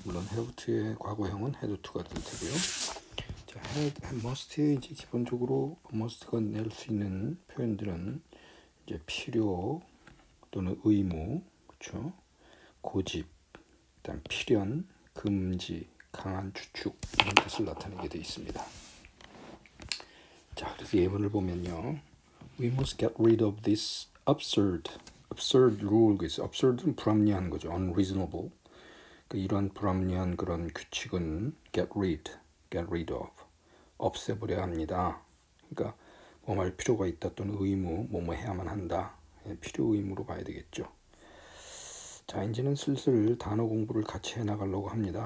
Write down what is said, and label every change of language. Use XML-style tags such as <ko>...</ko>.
<ko>물론 have to의 과거형은 had to가 될 테고요. 자, must의 이제 기본적으로 must가 낼 수 있는 표현들은 이제 필요 또는 의무, 그렇죠? 고집, 일단 필연, 금지, 강한 추측 이런 뜻을 나타내게 되어 있습니다. 자, 그래서 예문을 보면요.</ko> <en>We must get rid of this absurd rule.</en> <ko>Absurd은 불합리한 거죠.</ko> <en>Unreasonable.</en> <ko>그러니까 이런 불합리한 그런 규칙은 get rid of. 없애버려야 합니다. 그러니까 뭐 할 필요가 있다 또는 의무, 뭐뭐 해야만 한다. 필요 의무로 봐야 되겠죠. 자, 이제는 슬슬 단어 공부를 같이 해나가려고 합니다.</ko>